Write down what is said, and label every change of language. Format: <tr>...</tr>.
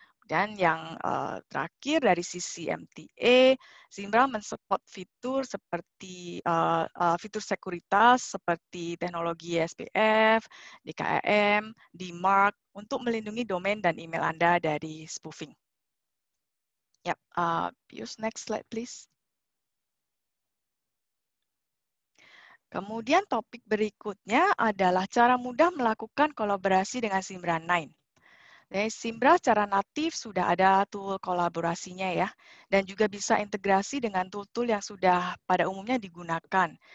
<id>Dan yang terakhir dari sisi MTA, Zimbra mensupport fitur seperti fitur sekuritas seperti teknologi SPF, DKIM, DMARC untuk melindungi domain dan email Anda dari spoofing.</id> <en>Yep, use next slide please.</en> <id>Kemudian topik berikutnya adalah cara mudah melakukan kolaborasi dengan Zimbra 9. Jadi Zimbra secara natif sudah ada tool kolaborasinya ya, dan juga bisa integrasi dengan tool-tool yang sudah pada umumnya digunakan.</id>